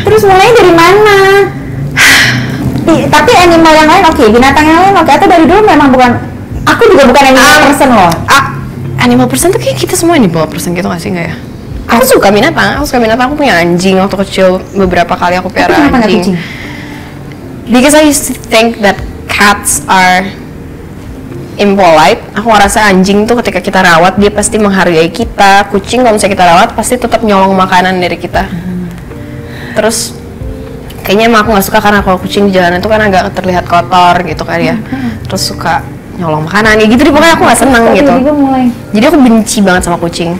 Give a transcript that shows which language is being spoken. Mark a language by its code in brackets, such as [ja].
[id] Terus mulainya dari mana? Tapi animal yang lain oke, binatang yang lain oke. Atau dari dulu memang bukan, aku juga bukan animal person loh. Animal person tuh kayak kita semua animal person gitu gak sih, gak ya? Aku suka binatang, aku punya anjing waktu kecil, beberapa kali aku piara anjing. [en] Because I used to think that cats are impolite. [id] Aku ngerasa anjing tuh ketika kita rawat dia pasti menghargai kita. Kucing kalau misalnya kita rawat pasti tetap nyolong makanan dari kita. Terus kayaknya emang aku gak suka karena kalau kucing di jalanan itu kan agak terlihat kotor gitu kan ya. Terus suka nyolong makanan, ya gitu deh, pokoknya aku gak seneng gitu. Jadi aku benci banget sama kucing.